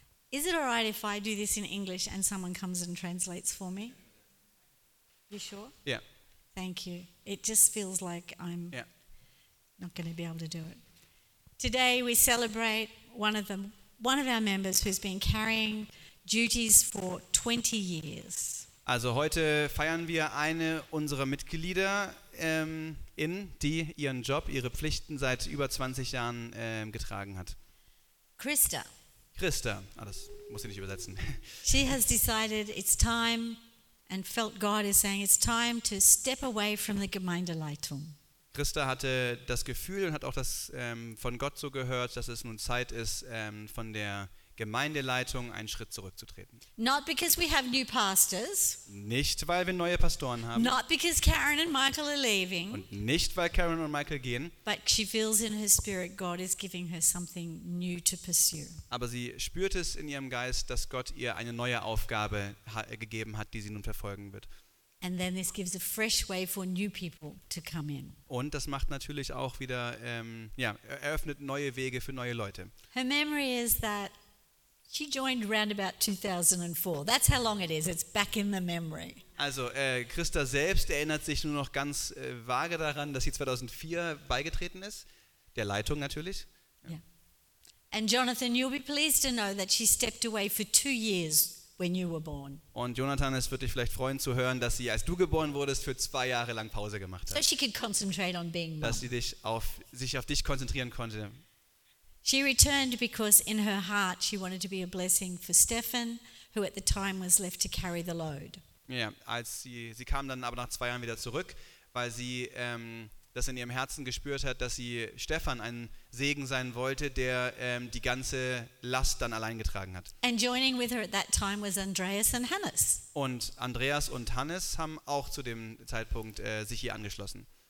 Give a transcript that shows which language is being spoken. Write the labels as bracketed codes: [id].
[en] Is it alright if I do this in English and someone comes and translates for me? You sure? Yeah. Thank you. It just feels like I'm not going to be able to do it. Today we celebrate one of our members who's been carrying duties for 20 years. [de] Also heute feiern wir eine unserer Mitglieder, die ihren Job, ihre Pflichten seit über 20 Jahren getragen hat. Christa. Christa, ah, das muss ich nicht übersetzen. [en] She has decided it's time and felt God is saying it's time to step away from the Gemeindeleitung. [de] Christa hatte das Gefühl und hat auch das von Gott so gehört, dass es nun Zeit ist, von der Gemeindeleitung einen Schritt zurückzutreten. [en] Not because we have new pastors. [de] Nicht weil wir neue Pastoren haben. [en] Not because Karen and Michael are leaving. [de] Und nicht weil Karen und Michael gehen. [en] But she feels in her spirit God is giving her something new to pursue. [de] Aber sie spürt es in ihrem Geist, dass Gott ihr eine neue Aufgabe gegeben hat, die sie nun verfolgen wird. [en] And then this gives a fresh way for new people to come in. [de] Und das macht natürlich auch wieder eröffnet neue Wege für neue Leute. [en] Her memory is that she joined round about 2004. That's how long it is. It's back in the memory. [de] Also Christa selbst erinnert sich nur noch ganz vage daran, dass sie 2004 beigetreten ist, der Leitung natürlich. [en] Yeah. And Jonathan, you'll be pleased to know that she stepped away for 2 years when you were born. [de] Und Jonathan, es wird dich vielleicht freuen zu hören, dass sie, als du geboren wurdest, für 2 Jahre lang Pause gemacht hat. [en] So she could concentrate on being mom. [de] Dass sie sich auf dich konzentrieren konnte. [en] She returned because in her heart she wanted to be a blessing for Stefan, who at the time was left to carry the load. [de] Ja, als sie kam dann aber nach 2 Jahren wieder zurück, weil sie das in ihrem Herzen gespürt hat, dass sie Stefan ein Segen sein wollte, der die ganze Last dann allein getragen hat. [en] And joining with her at that time was Andreas and Hannes. [de] Und Andreas und Hannes haben auch zu dem Zeitpunkt sich hier angeschlossen.